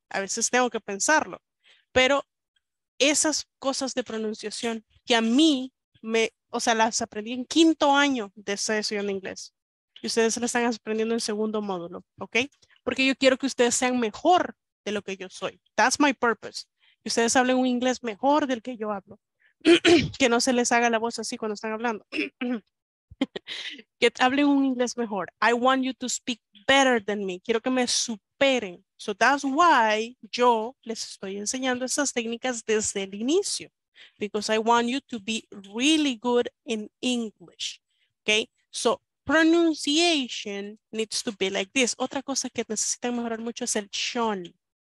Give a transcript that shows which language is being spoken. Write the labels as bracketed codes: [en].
[es] A veces tengo que pensarlo. Pero esas cosas de pronunciación que a mí me, o sea, las aprendí en quinto año de estar estudiando inglés. Y ustedes las están aprendiendo en segundo módulo, ¿ok? Porque yo quiero que ustedes sean mejor de lo que yo soy. [en] That's my purpose. [es] Que ustedes hablen un inglés mejor del que yo hablo. que no se les haga la voz así cuando están hablando. Que hablen un inglés mejor. [en] I want you to speak better than me. [es] Quiero que me superen. [en] So that's why [es] yo les estoy enseñando esas técnicas desde el inicio. [en] Because I want you to be really good in English. Okay? So pronunciation needs to be like this. [es] Otra cosa que necesitan mejorar mucho es el chon.